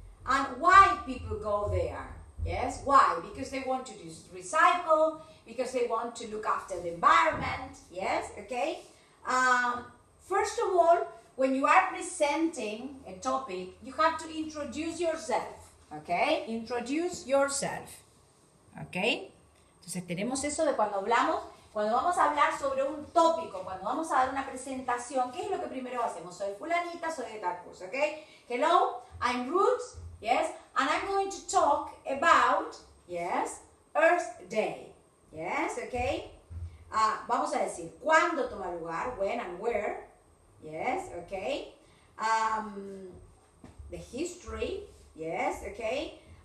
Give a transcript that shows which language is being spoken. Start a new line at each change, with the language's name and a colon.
English: And why people go there, yes, why? Because they want to just recycle, because they want to look after the environment, yes, okay? First of all, when you are presenting a topic, you have to introduce yourself, okay? Introduce yourself, okay?
Spanish: Entonces tenemos eso de cuando hablamos, cuando vamos a hablar sobre un tópico, cuando vamos a dar una presentación, ¿qué es lo que primero hacemos? Soy fulanita, soy de tal curso, okay?
English: Hello, I'm Ruth, yes? And I'm going to talk about, yes, Earth Day, yes, okay?
Spanish: Vamos a decir, ¿cuándo toma lugar?
English: When and where? Yes, okay. The history, yes, okay.